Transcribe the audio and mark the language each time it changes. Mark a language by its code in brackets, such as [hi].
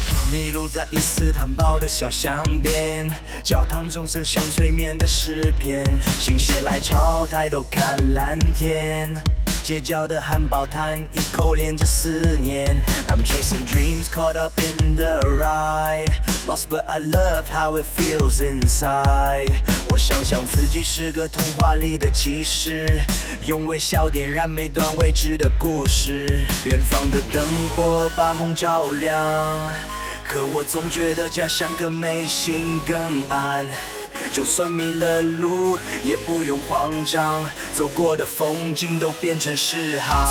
[zh] 你露在一丝汤包的小香边，焦糖棕色像催眠的诗篇，心血来潮抬头看蓝天，街角的汉堡摊一口连着思念。 [en] I'm chasing dreams caught up in the ride, lost but I love how it feels inside。 [zh] 我想象自己是个童话里的骑士，用微笑点燃每段未知的故事。远方的灯火把梦照亮，可我总觉得家乡更美，心更安。就算迷了路也不用慌张，走过的风景都变成诗行。